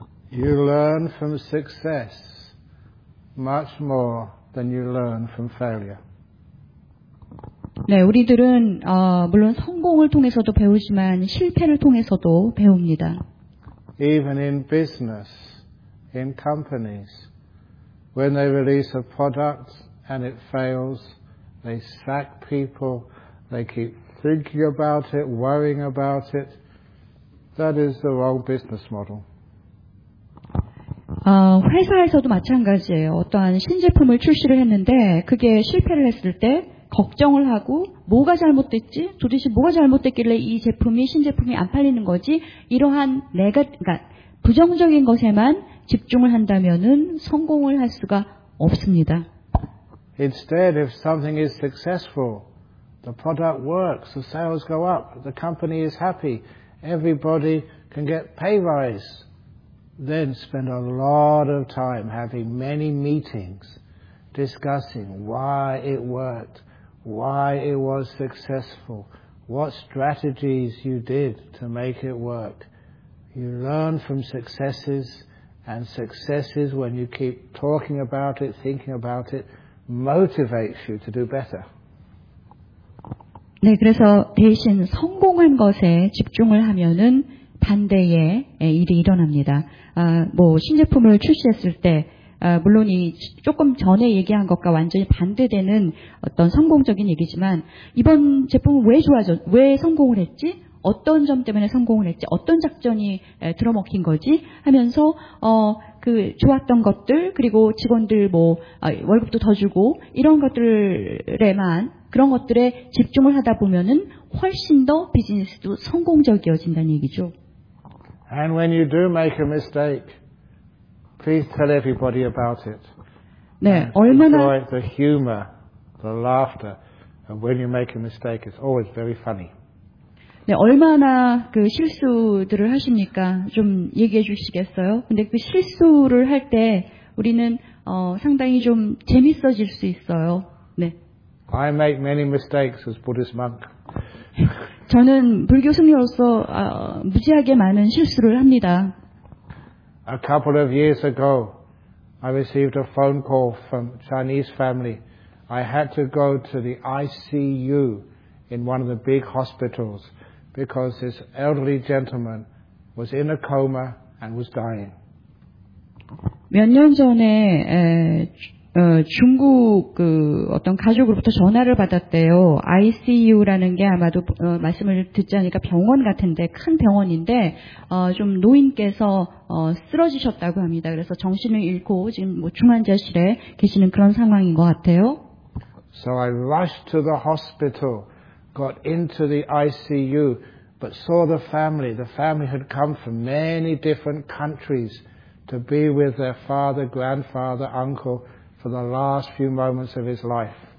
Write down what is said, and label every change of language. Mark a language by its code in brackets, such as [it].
[en] You learn from success much more than you learn from failure. [ko] 네, 우리들은 물론 성공을 통해서도 배우지만 실패를 통해서도 배웁니다. [en] Even in business, in companies, when they release a product and it fails, they sack people, they keep thinking about it, worrying about it. That is the wrong business model. [ko] 회사에서도 마찬가지예요. 어떠한 신제품을 출시를 했는데 그게 실패를 했을 때 걱정을 하고 뭐가 잘못됐지? 도대체 뭐가 잘못됐길래 이 제품이 신제품이 안 팔리는 거지? 이러한 그러니까 부정적인 것에만 집중을 한다면은 성공을 할 수가 없습니다. [en] Instead, if something is successful, the product works, the sales go up, the company is happy, everybody can get pay rise, then spend a lot of time having many meetings discussing why it worked. Why it was successful, what strategies you did to make it work. You learn from successes, and successes, when you keep talking about it, thinking about it, motivates you to do better. [ko] 네, 그래서 대신 성공한 것에 집중을 하면은 반대의 일이 일어납니다. 뭐 신제품을 출시했을 때 물론 이 조금 전에 얘기한 것과 완전히 반대되는 어떤 성공적인 얘기지만 이번 제품은 왜 좋아졌, 왜 성공을 했지, 어떤 점 때문에 성공을 했지, 어떤 작전이 들어먹힌 거지 하면서 그 좋았던 것들 그리고 직원들 뭐 월급도 더 주고 이런 것들에만 그런 것들에 집중을 하다 보면은 훨씬 더 비즈니스도 성공적이어진다는 얘기죠. [en] And when you do make a mistake, please tell everybody about it. 네, and [ko] 얼마나 [en] enjoy the humor, the laughter, and when you make a mistake, it's always very funny. [ko] 네, 얼마나 그 실수들을 하십니까? 좀 얘기해 주시겠어요? 근데 그 실수를 할 때 우리는 상당히 좀 재밌어질 수 있어요. 네. [en] I make many mistakes as Buddhist monk. [ko] 저는 불교 승려로서 무지하게 많은 실수를 합니다. [en] A couple of years ago, I received a phone call from a Chinese family. I had to go to the ICU in one of the big hospitals because this elderly gentleman was in a coma and was dying. [ko] 몇 년 전에 중국 그 어떤 가족으로부터 전화를 받았대요. ICU라는 게 아마도 말씀을 듣지 않으니까 병원 같은데 큰 병원인데 좀 노인께서 쓰러지셨다고 합니다. 그래서 정신을 잃고 지금 뭐 중환자실에 계시는 그런 상황인 것 같아요. [en] So I rushed to the hospital, got into the ICU, but saw the family. The family had come from many different countries to be with their father, grandfather, uncle. For the last few moments of his life.